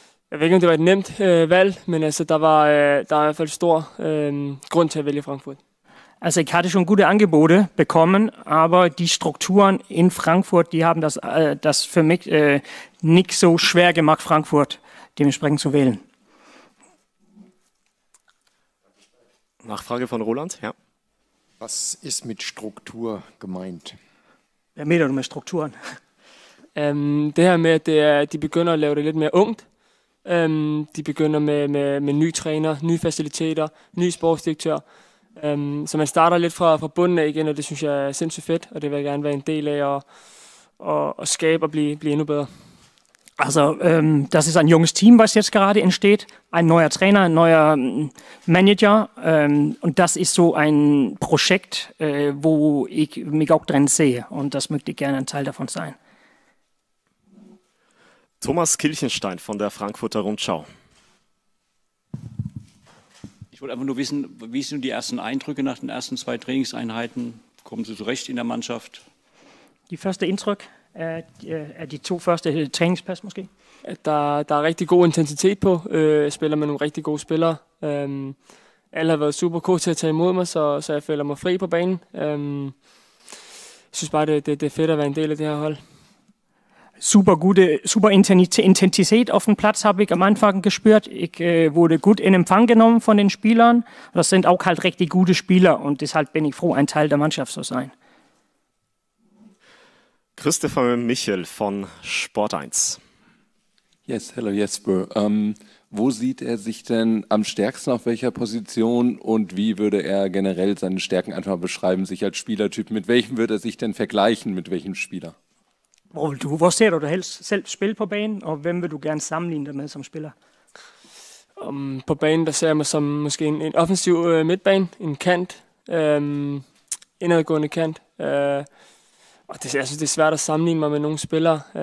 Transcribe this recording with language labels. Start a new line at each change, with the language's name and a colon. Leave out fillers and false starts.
Danish: Jeg ved ikke, om det var et nemt valg, men altså, der er i hvert fald stor grund til at vælge Frankfurt.
German: Also ich hatte schon gute Angebote bekommen, aber die Strukturen in Frankfurt, die haben das für mich nicht so schwer gemacht, Frankfurt dementsprechend zu wählen. Nachfrage von Roland, ja. Was ist mit Struktur gemeint? Wer meint du mit Strukturen?
Danish: Det her med, at de begynder at lave det lidt mere ungt. De begynder med nye træner, nye faciliteter, ny sportsdirektør. Så man starter lidt fra bunden af igen, og det synes jeg er sindssygt fedt, og det vil jeg gerne være en del af og skabe og blive endnu bedre.
German: Also, das ist ein junges Team, was jetzt gerade entsteht. Ein neuer Trainer, ein neuer Manager. Und das ist so ein Projekt, wo ich mich auch drin sehe. Und das möchte ich gerne ein Teil davon sein. Thomas Kilchenstein von der Frankfurter Rundschau. Ich wollte einfach nur wissen, wie sind die ersten Eindrücke nach den ersten zwei Trainingseinheiten? Kommen Sie zurecht in der Mannschaft? Die erste Eindruck?
Danish: Er de to første træningspas måske? Der er rigtig god intensitet på. Spiller med nogle rigtig gode spillere. Alle har været super gode til at tage imod mig, så jeg føler mig fri på banen. Jeg synes bare, det er fedt at være en del af det her hold.
German: Super gute, super intensitet auf dem Platz habe ich am Anfang gespürt. Ich wurde gut in Empfang genommen von den Spielern. Das sind auch halt richtig gute Spieler und deshalb bin ich froh, ein Teil der Mannschaft zu sein. Christopher Michel von Sport 1.
English: Yes, hello Jesper.
German: Wo sieht er sich denn am stärksten, auf welcher Position und wie würde er generell seine Stärken einfach beschreiben, sich als Spielertyp? Mit welchem würde er sich denn vergleichen, mit welchem Spieler?
Danish: Wo ser du helst selv spille på banen, og hvem vil du gerne sammenligne dig med som spiller? På banen, der ser jeg mig som måske en offensiv midtbane, en kant, indadgående kant. Jeg synes, det er svært at sammenligne mig med nogle spillere.